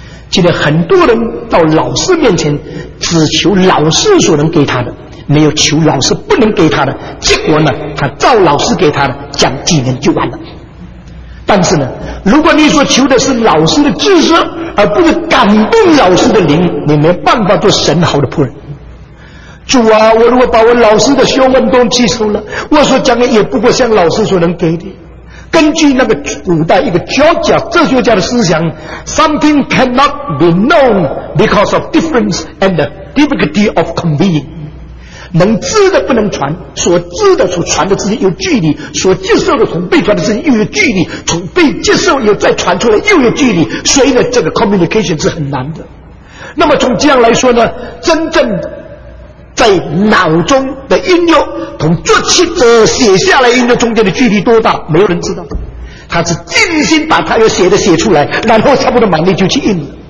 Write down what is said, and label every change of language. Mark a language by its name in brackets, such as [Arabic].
[Chinese] 今天很多人到老师面前只求老师所能给他的，没有求老师不能给他的，结果呢他照老师给他的讲几年就完了。但是呢，如果你所求的是老师的知识，而不是感动老师的灵，你没办法做神好的仆人。主啊，我如果把我老师的学问都吸收了，我所讲的也不过像老师所能给的。根据那个古代一个Georgia哲学家的思想， [English] Something cannot be known because of difference and the difficulty of conveying。 [Chinese] 能知的不能传，所知的所传的之间有距离，所接受的从被传的之间又有距离，从被接受又再传出来又有距离，所以呢这个 communication 是很难的。那么从这样来说呢，真正在脑中的音乐同作曲者写下来音乐中间的距离多大，没有人知道，他是尽心把他要写的写出来，然后差不多满力就去印了。